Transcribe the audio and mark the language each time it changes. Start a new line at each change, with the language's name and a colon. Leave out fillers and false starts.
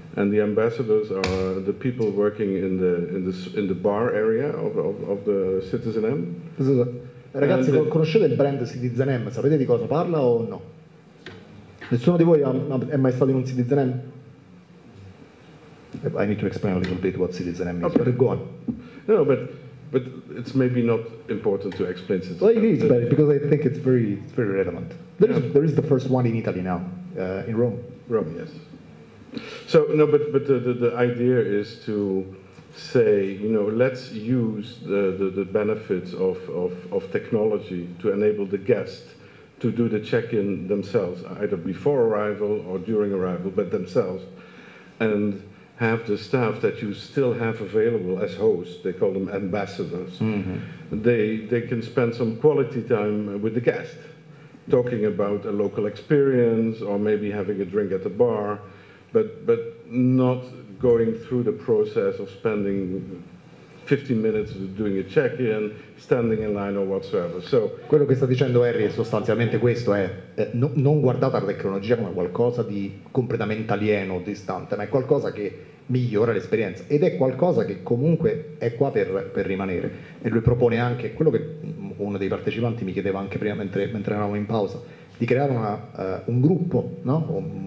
English: And the ambassadors are the people working in the bar area of the CitizenM.
Italian: Ragazzi, conoscete il brand CitizenM? Sapete di cosa parla o no? Nessuno di voi è mai stato in un CitizenM?
English: I need to explain a little bit what CitizenM is. Okay. But go on. No, but it's maybe not important to explain CitizenM. Well, it is, but because I think it's very relevant. There is the first one in Italy now, in Rome. Rome, yes. So no, but the idea is to say, you know, let's use the benefits of technology to enable the guest to do the check-in themselves, either before arrival or during arrival, but themselves. And have the staff that you still have available as hosts, they call them ambassadors, mm-hmm. they can spend some quality time with the guest, talking about a local experience or maybe having a drink at the bar, but not going through the process of spending 15 minutes doing a check-in, standing in line or whatsoever. So
Italian: quello che sta dicendo Harry è sostanzialmente questo, non guardate la tecnologia come qualcosa di completamente alieno, distante, ma è qualcosa che migliora l'esperienza ed è qualcosa che comunque è qua per rimanere. E lui propone anche quello che uno dei partecipanti mi chiedeva anche prima mentre eravamo in pausa, di creare un gruppo, no?